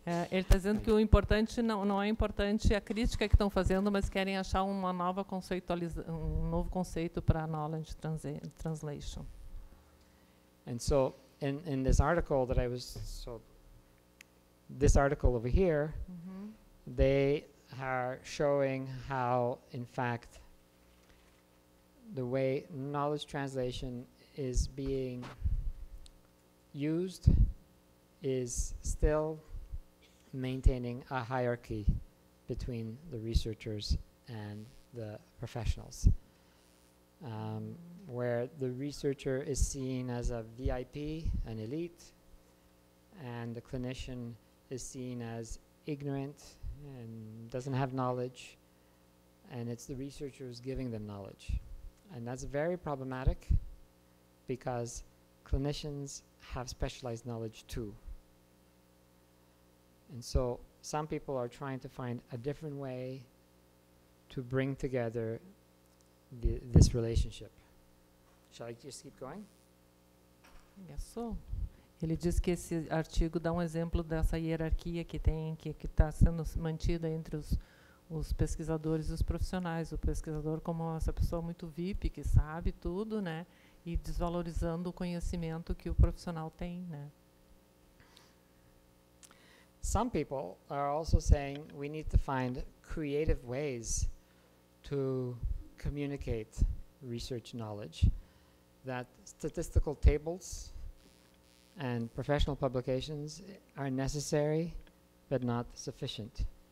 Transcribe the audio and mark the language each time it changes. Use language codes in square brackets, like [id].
[pt] Ele está dizendo que o importante não é importante a crítica que estão fazendo, mas querem achar uma nova um novo conceito para knowledge translation. [en] And so, in this article that I was, so this article over here, they are showing how, in fact, the way knowledge translation is being used is still maintaining a hierarchy between the researchers and the professionals, where the researcher is seen as a VIP, an elite, and the clinician is seen as ignorant and doesn't have knowledge, and it's the researcher who's giving them knowledge. And that's very problematic because clinicians have specialized knowledge too. And so some people are trying to find a different way to bring together this relationship. Shall I just keep going? Yes, so. [pt] Ele diz que esse artigo dá um exemplo dessa hierarquia que tem, que está sendo mantida entre os pesquisadores e os profissionais. O pesquisador como essa pessoa muito VIP, que sabe tudo, né, e desvalorizando o conhecimento que o profissional tem, né. [en] Some people are also saying we need to find creative ways to communicate research knowledge, that statistical tables and professional publications are necessary but not sufficient.